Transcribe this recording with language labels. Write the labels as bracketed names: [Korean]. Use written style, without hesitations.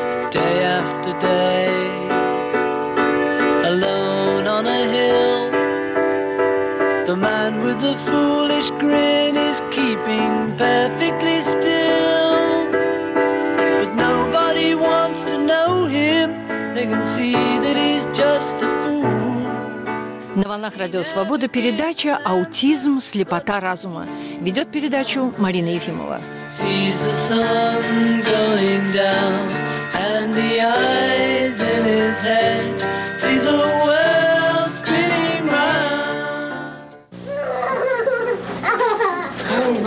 [English] Day after day, alone on a hill, the man with the foolish grin is keeping perfectly still. But nobody wants to know him, they can see that he's just a fool. [Russian] На волнах Радио Свобода передача «Аутизм. Слепота разума». Ведет передачу Марина Ефимова. [English] Sees the sun going down. And the eyes in his head see the world spinning round.